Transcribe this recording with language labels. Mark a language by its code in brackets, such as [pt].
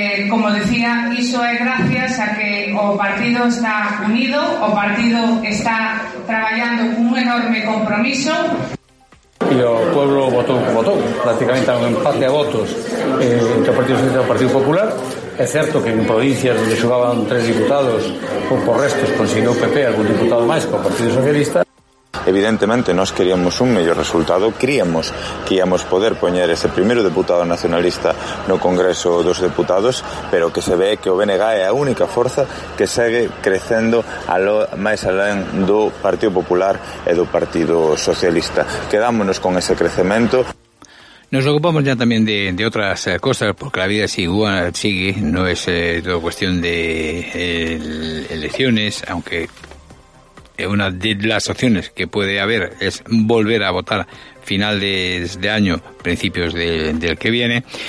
[gl] Como decía, iso é gracias a que o partido está unido, o partido está traballando un enorme compromiso. E o pueblo votou como votou, prácticamente un empate a votos entre o Partido Socialista e o Partido Popular. É certo que en provincias onde xogaban tres diputados, ou por restos, consiguió o PP algún diputado máis co Partido Socialista. Evidentemente, nós queríamos un mellor resultado, críamos que íamos poder poñer ese primeiro deputado nacionalista no Congreso dos Deputados, pero que se ve que o BNG é a única forza que segue crecendo máis alá do Partido Popular e do Partido Socialista. Quedámonos con ese crecemento. [es] Nos ocupamos ya también de otras cosas, porque la vida sigue, no es todo cuestión de elecciones, aunque una de las opciones que puede haber es volver a votar finales de año, principios del que viene.